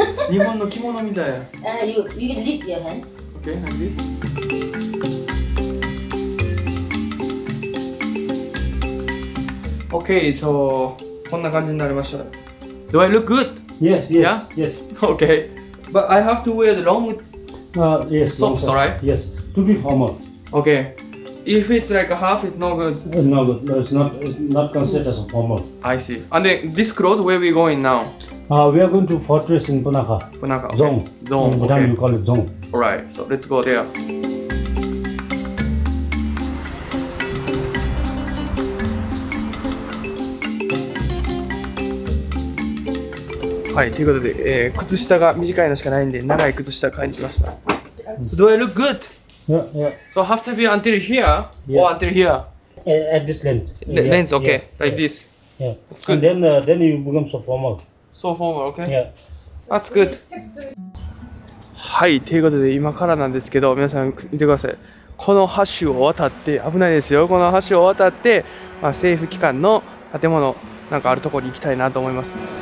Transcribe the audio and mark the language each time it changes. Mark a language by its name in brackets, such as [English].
[Japanese] 日本の着物みたい。 [English] You can lift your hand. Okay, like this. Okay, so [Japanese] こんな感じになりました。 [English] Do I look good? Yes, yes,、yeah? yes. Okay, but I have to wear the long yes, socks, long right? Yes, to be formal. Okay, if it's like a half, it's no good. No good. No, it's not considered as a formal. I see. And then this clothes, where are we going now? We are going to fortress in Punaka. Punaka. Okay. Zone. Zone. Okay. We call it zone. All right. So let's go there. [Japanese] はい。ということで、靴下が短いのしかないんで長い靴下買いに来ました。 [English] Do I look good? Yeah. Yeah. So have to be until here、yeah. or until here? At this length. Length. Okay. Yeah. Like this. Yeah. Good. And then you become so formal. So formal, okay? Yeah. That's good. [Japanese] はい、ということで今からなんですけど、皆さん見てください。この橋を渡って、危ないですよ。この橋を渡って、まあ、政府機関の建物なんかあるところに行きたいなと思います。